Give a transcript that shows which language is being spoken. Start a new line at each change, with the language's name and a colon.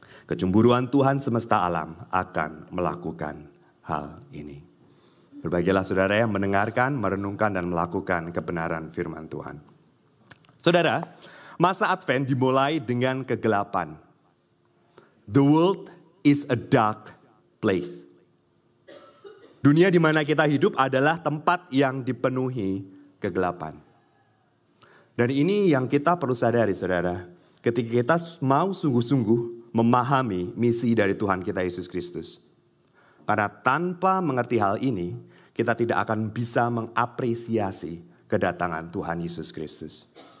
Indonesian: Kecemburuan Tuhan semesta alam akan melakukan hal ini. Berbahagialah saudara yang mendengarkan, merenungkan, dan melakukan kebenaran firman Tuhan. Saudara, masa Advent dimulai dengan kegelapan.
English: The world is a dark place.
Indonesian: Dunia di mana kita hidup adalah tempat yang dipenuhi kegelapan. Dan ini yang kita perlu sadari, saudara. Ketika kita mau sungguh-sungguh memahami misi dari Tuhan kita Yesus Kristus. Karena tanpa mengerti hal ini, kita tidak akan bisa mengapresiasi kedatangan Tuhan Yesus Kristus.